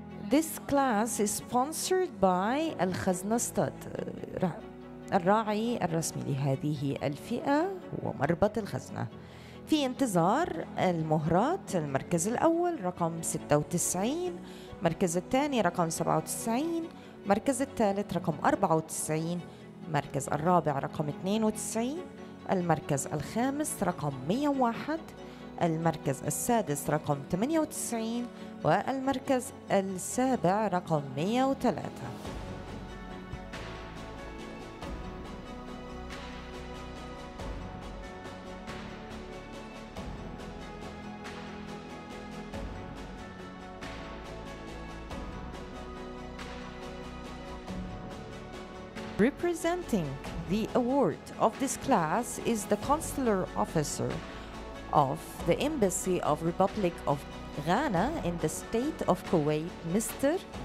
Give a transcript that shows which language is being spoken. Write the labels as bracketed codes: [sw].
[en] This class is sponsored by Al Khazna Stud. [ar] الراعي الرسمي لهذه الفئة هو مربط الخزنة في انتظار المهرات المركز الأول رقم 96 مركز الثاني رقم 97 مركز الثالث رقم 94 مركز الرابع رقم 92 المركز الخامس رقم 101 المركز السادس رقم 98 والمركز السابع رقم 103 Representing [en] The award of this class is the consular officer of the Embassy of Republic of Ghana in the state of Kuwait, Mr.